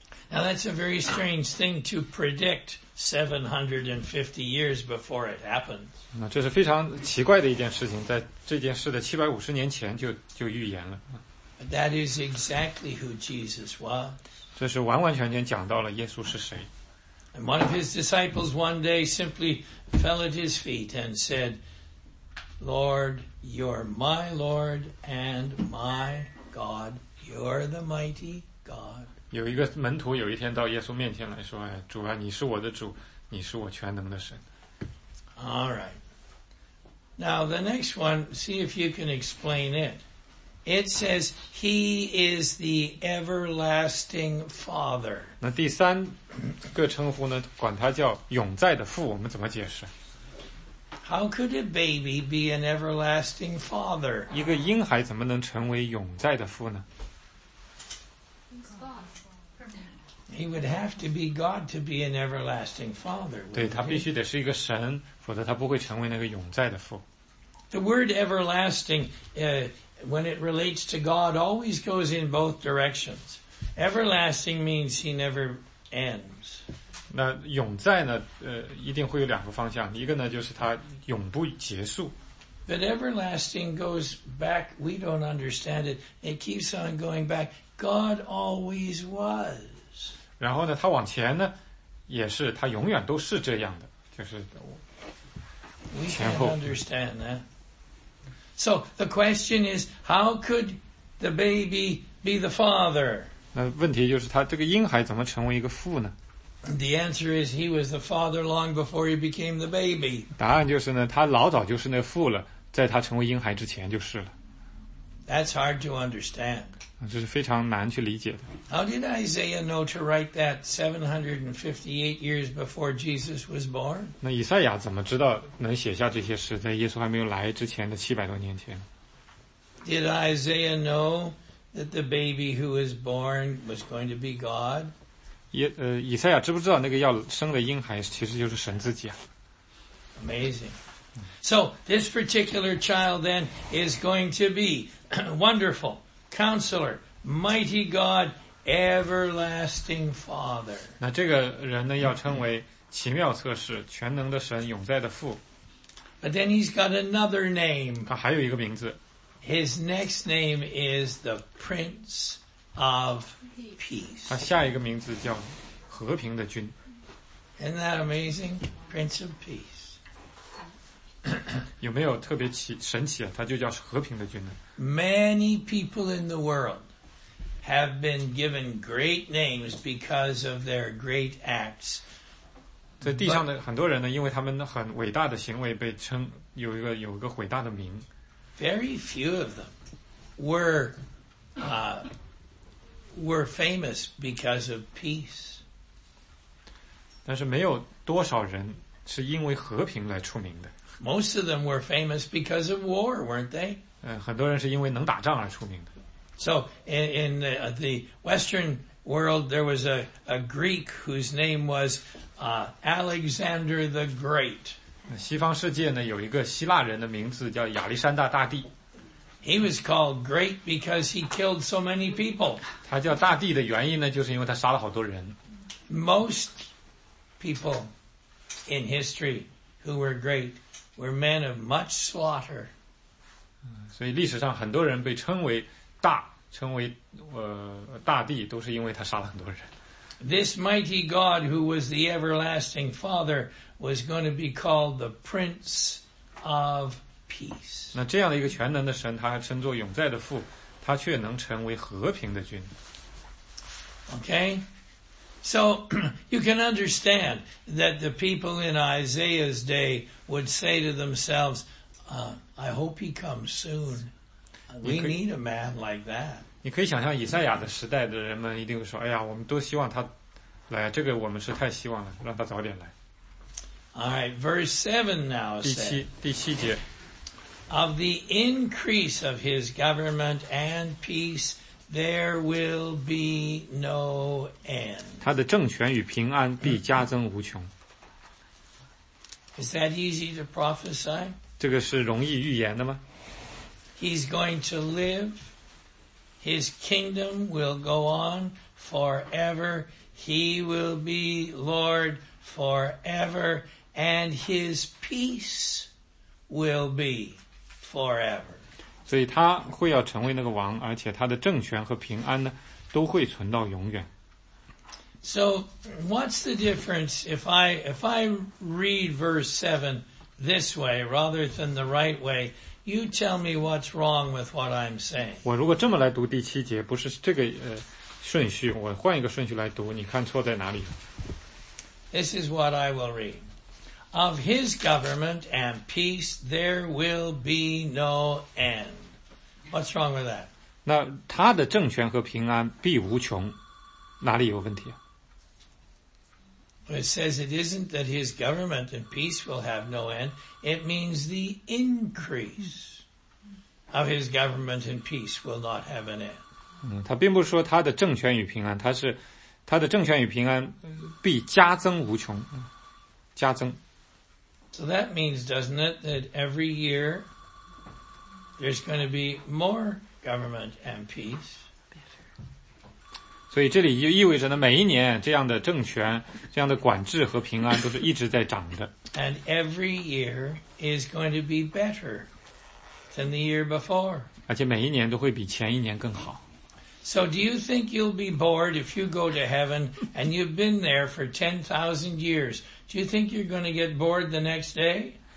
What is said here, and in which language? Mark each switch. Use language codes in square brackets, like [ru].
[en] Now that's a very strange thing to predict 750 years before it happens. [zh] 那这是非常奇怪的一件事情，在这件事的750年前就预言了。 [en] But that is exactly who Jesus was. [zh] 这是完完全全讲到了耶稣是谁。 [en] And one of his disciples one day simply fell at his feet and said, Lord, you're my Lord and my God. You're the mighty God. [zh] 有一个门徒有一天到耶稣面前来说，哎，主啊，你是我的主，你是我全能的神。 [en] All right. Now the next one, see if you can explain it. It says, He is the everlasting Father. [zh] 那第三个称呼呢，管他叫永在的父，我们怎么解释？ [en] How could a baby be an everlasting father? [zh] 一个婴孩怎么能成为永在的父呢？ [en] He would have to be God to be an everlasting father. [zh] 对，他必须得是一个神，否则他不会成为那个永在的父。 [en] The word everlasting, when it relates to God, always goes in both directions. Everlasting means he never ends. [zh] 那永在呢，一定会有两个方向，一个呢就是它永不结束。 [en] But everlasting goes back, we don't understand it, it keeps on going back, God always was. [zh] 然后呢，它往前呢，也是，它永远都是这样的，就是前后。 [en] We can't understand that. So the question is, how could the baby be the father? [zh] 那问题就是他这个婴孩怎么成为一个父呢？ [en] The answer is he was the father long before he became the baby. [zh] 答案就是呢，他老早就是那父了，在他成为婴孩之前就是了。 [en] That's hard to understand. [zh] 这是非常难去理解的。 [en] How did Isaiah know to write that 758 years before Jesus was born? [zh] 那以赛亚怎么知道能写下这些诗，在耶稣还没有来之前的700多年前？ [en] Did Isaiah know that the baby who was born was going to be God? [zh] 以赛亚知不知道那个要生的婴孩其实就是神自己啊 [en] Amazing. So, this particular child then is going to be wonderful, counselor, mighty God, everlasting father. [zh] 那这个人呢要称为奇妙测试全能的神永在的父 [en] But then he's got another name. [zh] 他还有一个名字 [en] His next name is the Prince of peace. [zh] 他下一个名字叫和平的君。 [en] Isn't that amazing? Prince of peace. [zh] 有没有特别神奇啊？他就叫和平的君呢。 [en] Many people in the world have been given great names because of their great acts. [zh] 在地上的很多人呢，因为他们很伟大的行为被称有一个伟大的名。 [en] Very few of them were, were famous because of peace. [zh] 但是没有多少人是因为和平来出名的。 [en] Most of them were famous because of war, weren't they? [zh] 很多人是因为能打仗而出名的。 [en] So, in the Western world, there was a Greek whose name was Alexander the Great. [zh] 西方世界呢，有一个希腊人的名字叫亚历山大大帝。 [en] He was called great because he killed so many people. [zh] 他叫大帝的原因呢，就是因为他杀了好多人。 [en] Most people in history who were great were men of much slaughter. [zh] 所以历史上很多人被称为大，称为大帝，都是因为他杀了很多人。 [en] This mighty God who was the everlasting father was going to be called the Prince of peace. [zh] 那这样的一个全能的神他还称作永在的父他却能成为和平的君 [en] Okay, so you can understand that the people in Isaiah's day would say to themselves, I hope he comes soon. We need a man like that. [zh] 你可以想象以赛亚的时代的人们一定会说哎呀我们都希望他来这个我们是太希望了让他早点来 [en] Alright, verse 7 now said, [zh] 第七节 [en] Of the increase of his government and peace, there will be no end. [zh] 他的政权与平安必加增无穷。 [en] Is that easy to prophesy? [zh] 这个是容易预言的吗? [en] He's going to live. His kingdom will go on forever. He will be Lord forever. And his peace will be. Forever. [zh] 所以他会要成为那个王而且他的政权和平安呢都会存到永远 [en] So what's the difference if I read verse 7 this way rather than the right way you tell me what's wrong with what I'm saying [zh] 我如果这么来读第七节不是这个顺序我换一个顺序来读你看错在哪里 [en] This is what I will readOf his government and peace, there will be no end. What's wrong with that? [zh] 那他的政权和平安必无穷，哪里有问题啊？ [en] It says it isn't that his government and peace will have no end. It means the increase of his government and peace will not have an end. [zh] 他并不是说他的政权与平安，他是他的政权与平安必加增无穷，加增。 [en] So that means, doesn't it, that every year there's going to be more government and peace. [zh] 所以这里就意味着呢，每一年这样的政权、这样的管制和平安都是一直在涨的。 [en] And every year is going to be better than the year before. [zh] 而且每一年都会比前一年更好。 [en] So do you think you'll be bored if you go to heaven and you've been there for 10,000 years? Do you think you're going to get bored the next day?